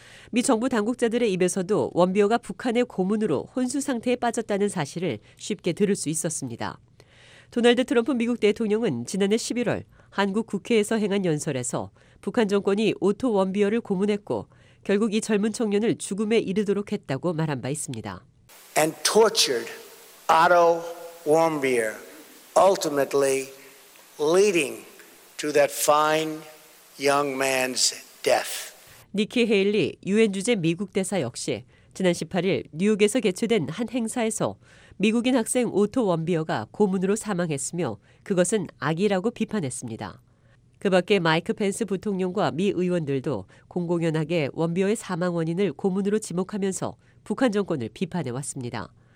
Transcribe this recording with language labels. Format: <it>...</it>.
<ko>미 정부 당국자들의 입에서도 원비어가 북한의 고문으로 혼수 상태에 빠졌다는 사실을 쉽게 들을 수 있었습니다. 도널드 트럼프 미국 대통령은 지난해 11월 한국 국회에서 행한 연설에서 북한 정권이 오토 원비어를 고문했고 결국 이 젊은 청년을 죽음에 이르도록 했다고 말한 바 있습니다.</ko> <en>And tortured Otto Warmbier ultimately leading to that fine young man's death.</en> <ko>니키 헤일리 유엔 주재 미국 대사 역시 지난 18일 뉴욕에서 개최된 한 행사에서 미국인 학생 오토 원비어가 고문으로 사망했으며 그것은 악이라고 비판했습니다. 그 밖에 마이크 펜스 부통령과 미 의원들도 공공연하게 원비어의 사망 원인을 고문으로 지목하면서 북한 정권을 비판해왔습니다.</ko>